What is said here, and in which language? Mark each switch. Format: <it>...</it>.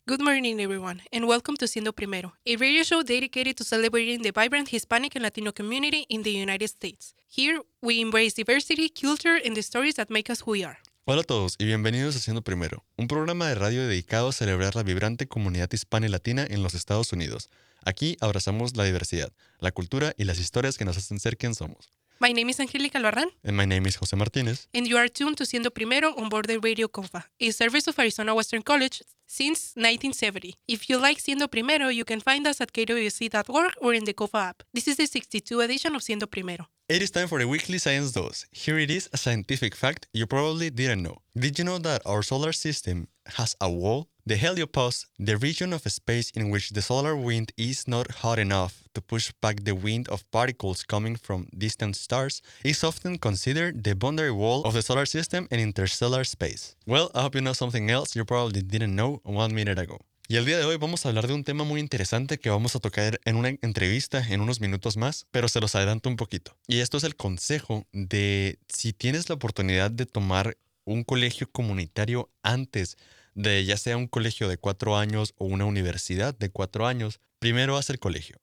<en>Good morning, everyone, and welcome to Siendo Primero, a radio show dedicated to celebrating the vibrant Hispanic and Latino community in the United States. Here, we embrace diversity, culture, and the stories that make us who we are.</en> <es>Hola a todos y bienvenidos a Siendo Primero, un programa de radio dedicado a celebrar la vibrante comunidad hispana y latina en los Estados Unidos. Aquí abrazamos la diversidad, la cultura y las historias que nos hacen ser quien somos.</es> <en>My name is Angélica Loarrán. And my name is José Martínez. And you are tuned to Siendo Primero on board the Radio Confa, a service of Arizona Western College since 1970. If you like Siendo Primero, you can find us at kwc.org or in the Confa app. This is the 62 edition of Siendo Primero. It is time for a weekly science dose. Here it is, a scientific fact you probably didn't know. Did you know that our solar system has a wall? The heliopause, the region of space in which the solar wind is not hot enough to push back the wind of particles coming from distant stars, is often considered the boundary wall of the solar system and interstellar space. Well, I hope you know something else you probably didn't know 1 minute ago.</en> <es>Y el día de hoy vamos a hablar de un tema muy interesante que vamos a tocar en una entrevista en unos minutos más, pero se los adelanto un poquito. Y esto es el consejo de si tienes la oportunidad de tomar un colegio comunitario antes de ya sea un colegio de 4 años o una universidad de 4 años, primero haz el colegio.</es>